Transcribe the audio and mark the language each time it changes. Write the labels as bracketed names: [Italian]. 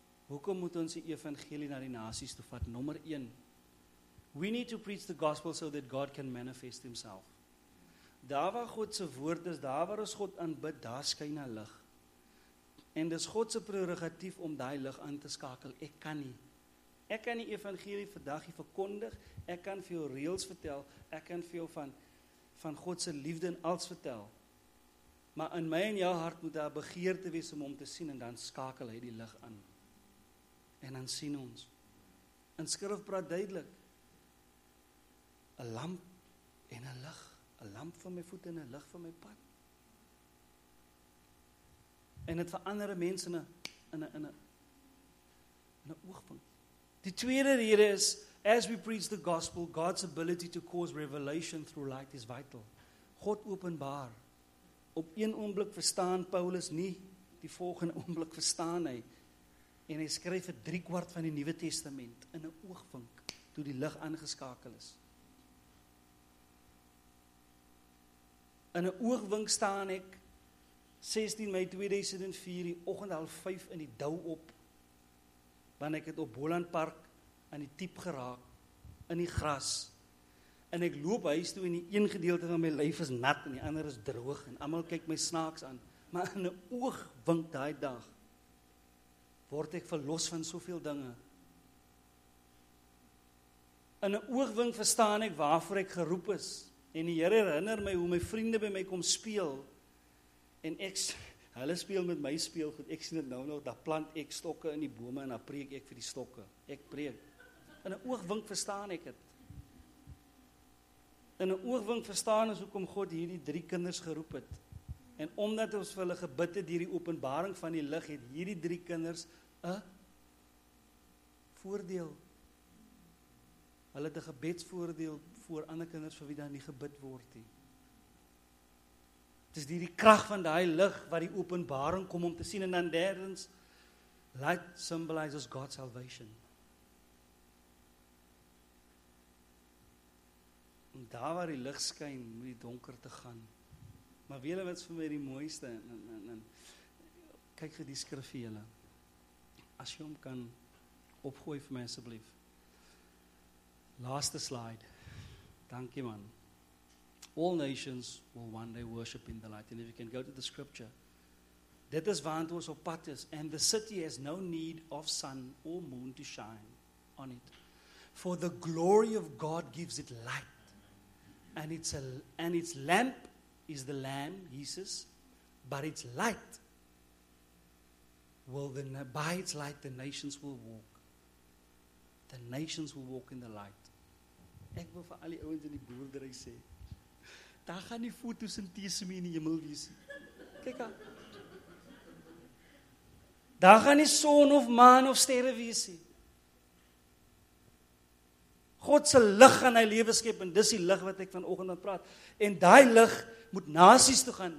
[Afrikaans] Hoekom moet ons die evangelie na die nasies toe vat? Nommer 1. [English] We need to preach the gospel so that God can manifest himself. [Afrikaans] Daar waar God se woord is, daar waar ons God aanbid, daar skyn 'n lig. En dis God se prerogatief om daai lig aan te skakel. Ek kan nie. Ek kan die evangelie vandag hier verkondig. Ek kan vir jou reels vertel. Ek kan vir jou van God se liefde en alles vertel. Maar in my en jou hart moet daar begeerte wees om hom te sien en dan skakel hy die lig aan. En dan sien ons. In skrif praat duidelik. 'n Lamp en 'n lig. 'n Lamp vir my voet en 'n lig vir my pad. En het verander mense in 'n oogpunt. Die tweede rede is, [English] as we preach the gospel, God's ability to cause revelation through light is vital. [Afrikaans] God openbaar. Op een oomblik verstaan Paulus nie, die volgende oomblik verstaan hy. En hy skryf 3/4 van die Nuwe Testament in 'n oogvink, toe die lig aangeskakel is. In 'n oogvink staan ek 16 Mei 2004 die oggend 4:30 in die dou op, want ek het op Boland Park aan die tip geraak in die gras. En ek loop huis toe en die een gedeelte van my lyf is nat en die ander is droog en almal kyk my snaaks aan. Maar in 'n oogwink daai dag word ek verlos van soveel dinge. In 'n oogwink verstaan ek waarvoor ek geroep is. En die Here herinner my hoe my vriende by my kom speel. En ek, hulle speel met my speelgoed. Ek sien dit nou nog, daar plant ek stokke in die bome en daar preek ek vir die stokke. Ek preek. In 'n oogwink verstaan ek het. In 'n oogwink verstaan ons hoekom God hierdie 3 kinders geroep het. En omdat ons vir hulle gebid het hierdie openbaring van die lig, het hierdie 3 kinders 'n voordeel. Hulle het 'n gebedsvoordeel voor ander kinders vir wie dan nie gebid word nie. Dit is hierdie krag van daai lig wat die openbaring kom om te sien. En dan derdens, [English] light symbolizes God's salvation. [Afrikaans] En daar waar die lig skyn, moet die donker te gaan. Maar weet jy wat is vir my die mooiste? Kyk vir die skrif vir julle. As jy hom kan opgooi vir my asseblief. Laaste slide. Dankie man. [English] All nations will one day worship in the light. And if you can go to the scripture. [Afrikaans] Dit is waarna ons op pad is. [English] And the city has no need of sun or moon to shine on it. For the glory of God gives it light. And its lamp is the Lamb, Jesus, but its light will by its light the nations will walk. The nations will walk in the light. [Afrikaans] Ek wil vir al die ouens in die boerdery sê, daar gaan nie fotosintese meer in die hemel wees. Kyk aan. Daar gaan nie son of maan of sterre wees. God se lig in hy lewe skep en dis die lig wat ek vanoggend aan praat. En daai lig moet nasies toe gaan.